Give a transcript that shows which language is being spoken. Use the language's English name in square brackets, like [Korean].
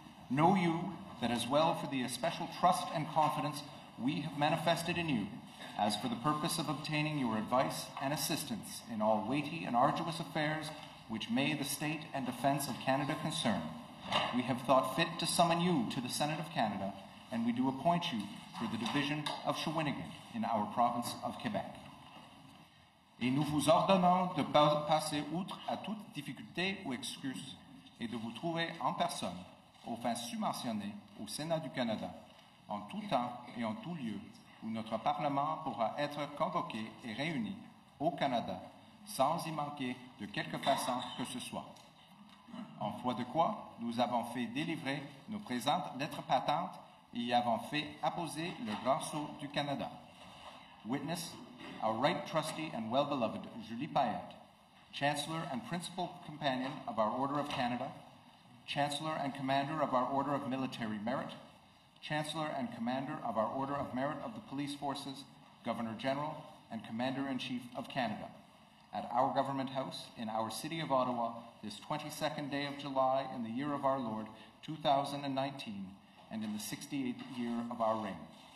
[English] Know you that as well for the especial trust and confidence we have manifested in you, as for the purpose of obtaining your advice and assistance in all weighty and arduous affairs which may the state and defense of Canada concern, we have thought fit to summon you to the Senate of Canada, and we do appoint you for the division of Shawinigan in our province of Quebec. [French] Et nous vous ordonnons de passer outre à toute difficulté ou excuse et de vous trouver en personne, aux fins subventionnées, au Sénat du Canada, en tout temps et en tout lieu, où notre Parlement pourra être convoqué et réuni au Canada sans y manquer de quelque façon que ce soit. En foi de quoi, nous avons fait délivrer nos présentes lettres patentes et y avons fait apposer le grand sceau du Canada. [English] Witness, our right trusty and well-beloved Julie Payette, Chancellor and Principal Companion of our Order of Canada, Chancellor and Commander of our Order of Military Merit, Chancellor and Commander of our Order of Merit of the Police Forces, Governor General, and Commander-in-Chief of Canada, at our Government House in our City of Ottawa, this 22nd day of July in the year of our Lord, 2019, and in the 68th year of our reign.